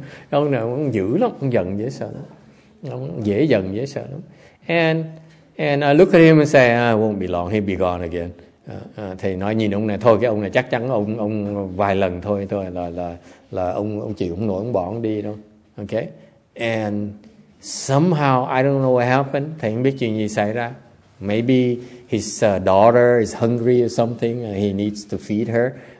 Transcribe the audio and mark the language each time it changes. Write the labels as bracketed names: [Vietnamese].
[Vietnamese] Ông nào ông dữ lắm, ông giận dễ sợ lắm. Ông dễ giận dễ sợ lắm. [English] And I look at him and say, I won't be long, he'll be gone again. [Vietnamese] Thầy nói nhìn ông này thôi, cái ông này chắc chắn ông vài lần thôi là ông chịu không nổi, ông bỏ ông đi đâu. Okay? [English] And somehow I don't know what happened. [Vietnamese] Thầy không biết chuyện gì xảy ra. [English] Maybe his daughter is hungry or something, he needs to feed her.